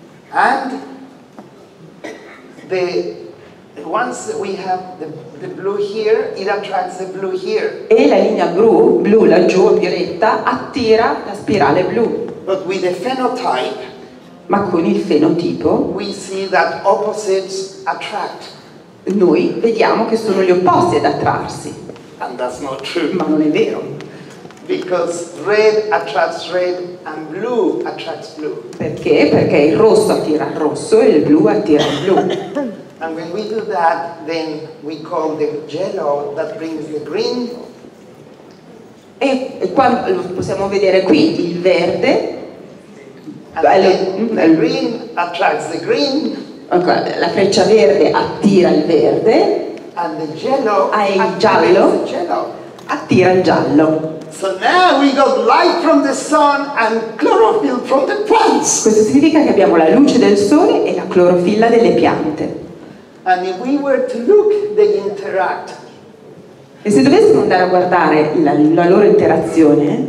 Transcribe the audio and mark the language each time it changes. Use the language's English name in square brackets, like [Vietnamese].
[English] And the once we have the blue here, it attracts the blue here. [Italian] E la linea blu laggiù, violetta, attira la spirale blu. [English] But with the phenotype, [Italian] ma con il fenotipo, [English] we see that opposites attract. [Italian] Noi vediamo che sono gli opposti ad attrarsi. [English] And that's not true. [Italian] Ma non è vero. [English] Because red attracts red and blue attracts blue. [Italian] Perché? Perché il rosso attira il rosso e il blu attira il blu. [English] And when we do that, then we call the yellow that brings the green. [Italian] E qua lo possiamo vedere qui il verde. [English] The green attracts the green. [Italian] Okay, la freccia verde attira il verde. [English] And the yellow [Italian] e il giallo attira il giallo. [English] So now we got light from the sun and chlorophyll from the plants. [Italian] Questo significa che abbiamo la luce del sole e la clorofilla delle piante. [English] And if we were to look, they interact. [Italian] E se dovessimo andare a guardare la loro interazione